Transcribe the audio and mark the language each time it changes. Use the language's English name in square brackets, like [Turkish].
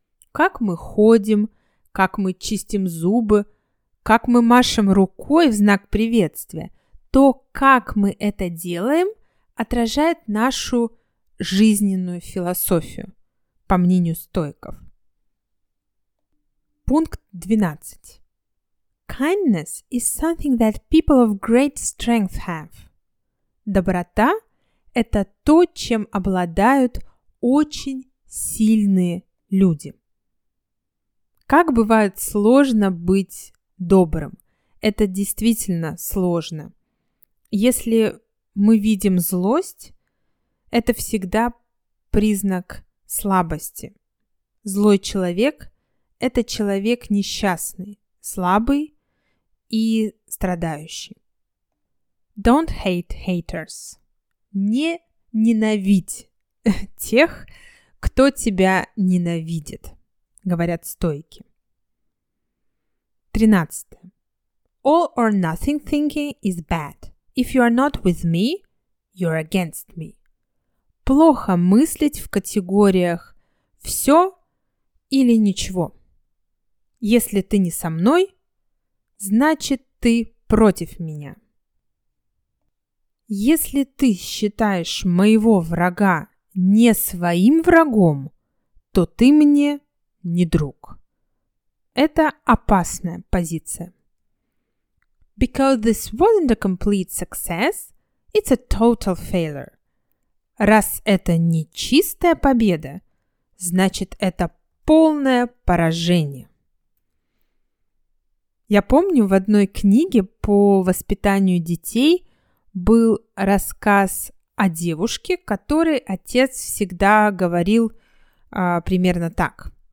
[Russian] Как мы ходим, как мы чистим зубы, как мы машем рукой в знак приветствия. То, как мы это делаем, отражает нашу жизненную философию, по мнению стоиков. Пункт 12. [English] Kindness is something that people of great strength have. [Russian] Доброта – это то, чем обладают очень сильные люди. Как бывает сложно быть добрым? Это действительно сложно. Если мы видим злость, это всегда признак слабости. Злой человек – это человек несчастный, слабый и страдающий. [English] Don't hate haters. [Russian] Не ненавидь тех, кто тебя ненавидит, говорят стоики. [English] 13. All or nothing thinking is bad. If you are not with me, you're against me. [Russian] Плохо мыслить в категориях «все» или «ничего». Если ты не со мной, значит, ты против меня. Если ты считаешь моего врага не своим врагом, то ты мне не друг. Это опасная позиция. [English] Because this wasn't a complete success, it's a total failure. [Russian] Раз это не чистая победа, значит, это полное поражение. Я помню, в одной книге по воспитанию детей был рассказ о девушке, которой отец всегда говорил примерно так.